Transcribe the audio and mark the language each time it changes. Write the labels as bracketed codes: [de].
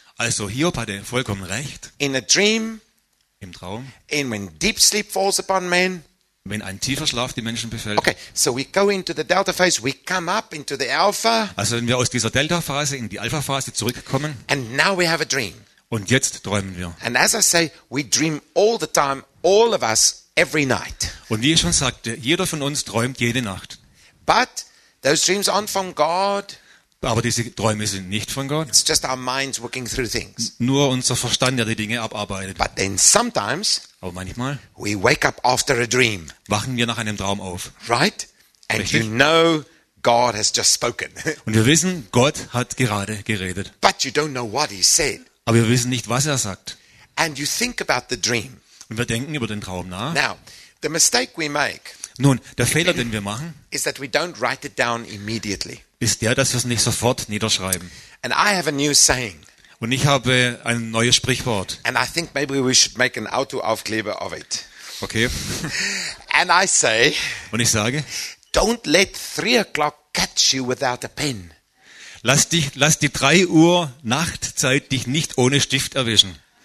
[de] Also Hiob hatte vollkommen recht. [en] In a dream, [de] im Traum, [en] and when deep sleep falls upon man, [de] Wenn ein tiefer Schlaf die Menschen befällt. [en] Okay, so we go into the delta phase, we come up into the alpha. [de] Also wenn wir aus dieser Delta-Phase in die Alpha-Phase zurückkommen. [en] And now we have a dream. [de] Und jetzt träumen wir. [en] And as I say, we dream all the time, all of us, every night. [de] Und wie ich schon sagte, jeder von uns träumt jede Nacht. [en] But those dreams aren't from God. [de] Aber diese Träume sind nicht von Gott. [en] It's just our minds working through things. [de] Nur unser Verstand, der die Dinge abarbeitet. [en] But then sometimes, [de] aber manchmal, [en] we wake up after a dream. [de] Wachen wir nach einem Traum auf. [en] Right? And [de] richtig? [en] You know God has just spoken. [de] Und wir wissen, Gott hat gerade geredet. [en] But you don't know what he said. [de] Aber wir wissen nicht, was er sagt. [en] And you think about the dream. [de] Und wir denken über den Traum nach. [en] Now, the mistake we make. [de] Nun, der Fehler, den wir machen, [en] is that we don't write it down immediately. [de] Ist der, dass wir es nicht sofort niederschreiben. [en] And I have a new saying. [de] Und ich habe ein neues Sprichwort. [en] And I think maybe we should make an Autoaufkleber of it. Okay. And I say. [de] Und ich sage. [en] Don't let 3 o'clock catch you without a pen. [de] Lass die 3 Uhr Nachtzeit dich nicht ohne Stift erwischen.